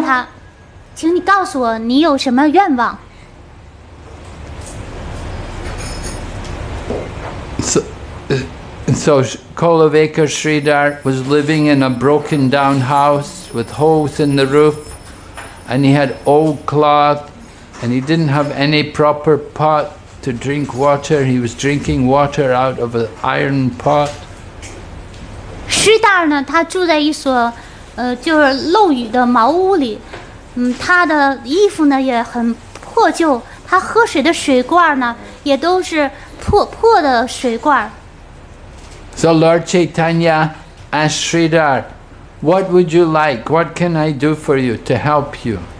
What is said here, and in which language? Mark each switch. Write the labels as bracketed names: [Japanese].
[Chinese] 所以奉献者们一个一个的就走到主彩参加面前，当轮到虚达的时候，主彩参加就问他，请你告诉我你有什么愿望。 [English] So Kolaveka Sridhar was living in a broken down house with holes in the roof, and he had old cloth, and he didn't have any proper pot to drink water. He was drinking water out of an iron pot. [Chinese] Sridhar 呢，他住在一所就是漏雨的茅屋里，他的衣服呢也很破旧，他喝水的水罐呢也都是破的水罐。 [English] So Lord Chaitanya asked Sridhar, what would you like? What can I do for you to help you?